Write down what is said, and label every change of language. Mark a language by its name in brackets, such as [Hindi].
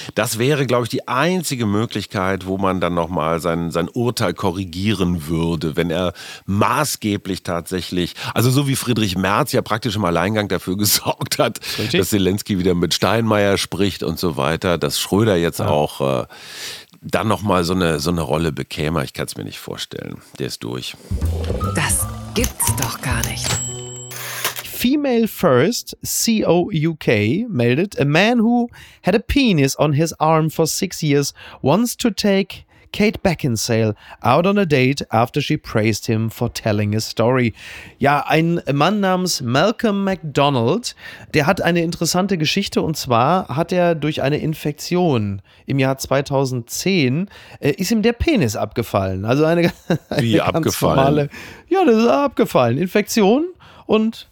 [German] Das wäre, glaube ich, die einzige Möglichkeit, wo man dann nochmal sein Urteil korrigieren würde, wenn er maßgeblich tatsächlich, also so wie Friedrich Merz ja praktisch im Alleingang dafür gesorgt hat, dass Zelensky wieder mit Steinmeier spricht und so weiter, dass Schröder jetzt auch dann nochmal so eine Rolle bekäme. Ich kann es mir nicht vorstellen. Der ist durch. Das gibt's doch gar nicht. [English] Female First, COUK, [German] meldet, [English] a man who had a penis on his arm for 6 years wants to take Kate Beckinsale out on a date after she praised him for telling a story. [German] Ja, ein Mann namens Malcolm McDonald, der hat eine interessante Geschichte, und zwar hat er durch eine Infektion im Jahr 2010 ist ihm der Penis abgefallen. Also Wie abgefallen? Infektion und...